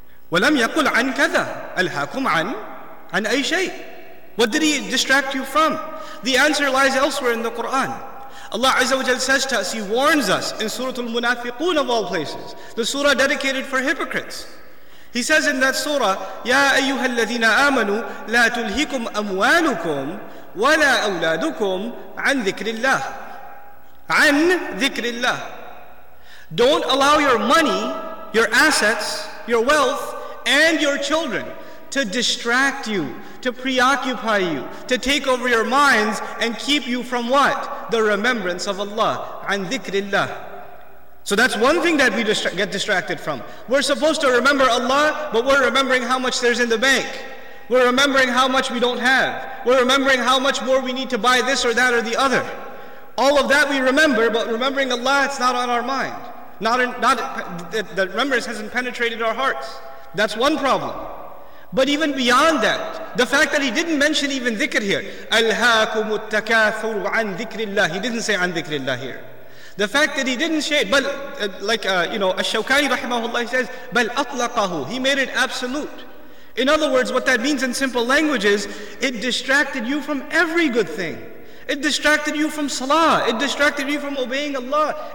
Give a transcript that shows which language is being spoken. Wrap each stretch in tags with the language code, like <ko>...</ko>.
<ar>وَلَمْ يَقُلْ عَنْ كَذَا أَلْهَاكُمْ عَنْ أَيْ شَيْءٍ.</ar> <en>What did he distract you from? The answer lies elsewhere in the Quran. Allah Azza wa Jal says to us, he warns us in Surah Al-Munafiqun of all places, the surah dedicated for hypocrites. He says in that surah,</en> <ar>يَا أَيُّهَا الَّذِينَ آمَنُوا لَا تُلْهِكُمْ أَمْوَالُكُمْ وَلَا أَوْلَادُكُمْ عَنْ ذِكْرِ اللَّهِ عَنْ ذِكْرِ اللَّهِ.</ar> <en>Don't allow your money, your assets, your wealth, and your children to distract you, to preoccupy you, to take over your minds and keep you from what? The remembrance of Allah,</en> <ar>عَنْ ذِكْرِ اللَّهِ.</ar> <en>So that's one thing that we get distracted from. We're supposed to remember Allah, but we're remembering how much there's in the bank. We're remembering how much we don't have. We're remembering how much more we need to buy this or that or the other. All of that we remember, but remembering Allah, it's not on our mind. That remembrance hasn't penetrated our hearts. That's one problem. But even beyond that, the fact that he didn't mention even dhikr here.</en> <ar>أَلْهَاكُمُ التَّكَاثُرُ عَنْ ذِكْرِ اللَّهِ.</ar> <en>He didn't say</en> <ar>عَنْ ذِكْرِ اللَّهِ</ar> <en>here. The fact that he didn't say, but Ash-Shawkani rahimahullah says,</en> <ar>بَلْ أَطْلَقَهُ.</ar> <en>He made it absolute. In other words, what that means in simple language is, it distracted you from every good thing. It distracted you from salah. It distracted you from obeying Allah.</en>